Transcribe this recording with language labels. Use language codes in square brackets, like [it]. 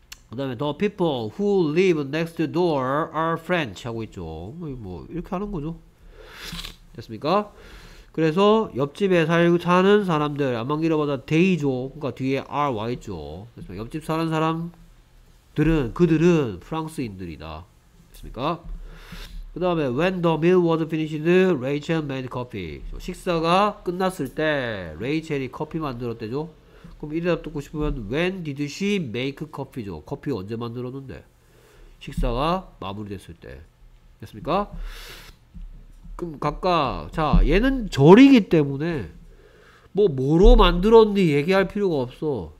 [ko] 그 다음에 [en] the people who live next door are French [ko] 하고 있죠. 뭐 이렇게 하는 거죠. 됐습니까? 그래서 옆집에 사는 사람들 안만 길어봐도 they죠. 그러니까 뒤에 are, y 있죠. 됐습니까? 옆집 사는 사람들은 그들은 프랑스인들이다. 됐습니까? 그 다음에 [en] when the meal was finished, Rachel made coffee. [ko] 식사가 끝났을 때 레이첼이 커피 만들었대죠. 그럼 이 대답 듣고 싶으면 [en] When did she make coffee [ko] 죠. 커피 언제 만들었는데? 식사가 마무리됐을 때. 됐습니까? 그럼 각각 자 얘는 절이기 때문에 뭐 뭐로 만들었니 얘기할 필요가 없어.